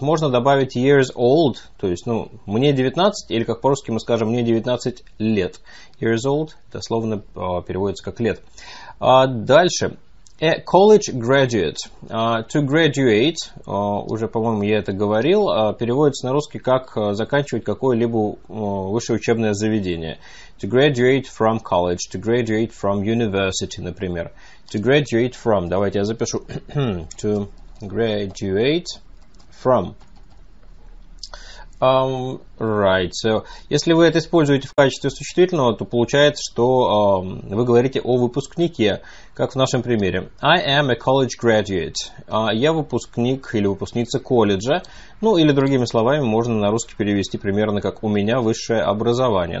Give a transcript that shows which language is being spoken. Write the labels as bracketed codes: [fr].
[ru] Можно добавить [en] years old, [ru] то есть, ну, мне 19, или как по-русски мы скажем, мне 19 лет. Years old дословно переводится как лет. Дальше. [en] A college graduate. [ru] To graduate, уже, по-моему, я это говорил, переводится на русский как заканчивать какое-либо высшее учебное заведение. [en] To graduate from college, to graduate from university, [ru] например. [en] To graduate from, [ru] давайте я запишу, [en] to graduate from. Right, so, [ru] если вы это используете в качестве существительного, то получается, что вы говорите о выпускнике, как в нашем примере. [en] I am a college graduate. [ru] Я выпускник или выпускница колледжа. Ну, или другими словами, можно на русский перевести примерно как «у меня высшее образование».